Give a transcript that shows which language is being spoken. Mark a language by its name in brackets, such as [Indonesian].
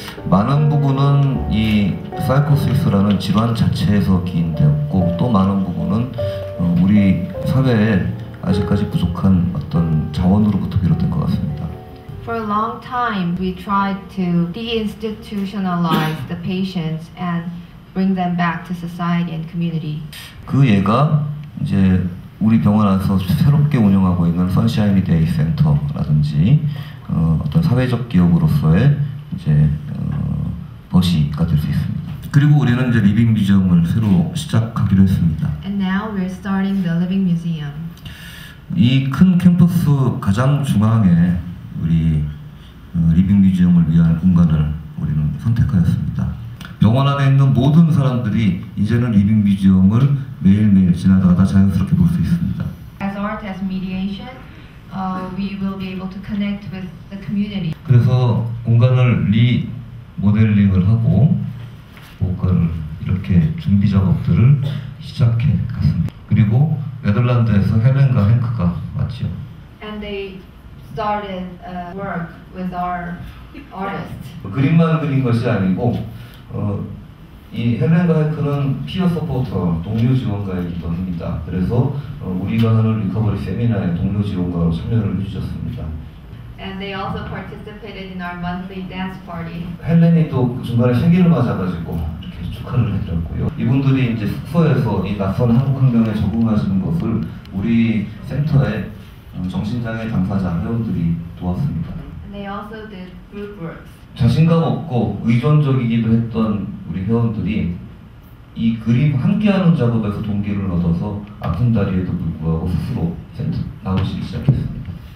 [Korean] 많은 부분은 이 사이코시스라는 질환 자체에서 기인되었고 또 많은 부분은 우리 사회에 아직까지 부족한 어떤 자원으로부터 비롯된 것 같습니다. [English] For a long time, we tried to deinstitutionalize the patients and bring them back to society and community. [Korean] 그 예가 이제 우리 병원 안에서 새롭게 운영하고 있는 선샤인 데이 센터라든지 어떤 사회적 기업으로서의 이제 버시가 될 수 있습니다. 그리고 우리는 이제 리빙 뮤지엄을 새로 시작하기로 했습니다. [English] And now we're starting the Living Museum. [Korean] 이 큰 캠퍼스 가장 중앙에 우리 리빙 뮤지엄을 위한 공간을 우리는 선택하였습니다. 병원 안에 있는 모든 사람들이 이제는 리빙 뮤지엄을 매일매일 지나다가 자연스럽게 볼 수 있습니다. [English] As art as mediation, we will be able to connect with the community. [Korean] 그래서 공간을 리모델링을 하고 공간을 이렇게 준비 작업들을 시작해 갔습니다. 그리고 네덜란드에서 헤렌과 헨크가 왔죠. [English] And they started work with our artist. [Korean] 그림만 그린 것이 아니고 이 헤렌과 헨크는 피어 서포터, 동료 지원가이기도 합니다. 그래서 우리가 하는 리커버리 세미나에 동료 지원가로 참여를 해주셨습니다. [English] And they also participated in our monthly dance party. [Korean] 헬렌이 또 중간에 생일을 맞아가지고 이렇게 축하를 해드렸고요. 이분들이 이제 숙소에서 이 낯선 한국 환경에 적응하시는 것을 우리 센터의 정신장애 당사자 회원들이 도왔습니다. [English] And they also did group work. [Korean] 자신감 없고 의존적이기도 했던 우리 회원들이 이 그림 함께하는 작업에서 동기를 얻어서 아픈 다리에도 불구하고 스스로 센터 나오시기 시작했습니다.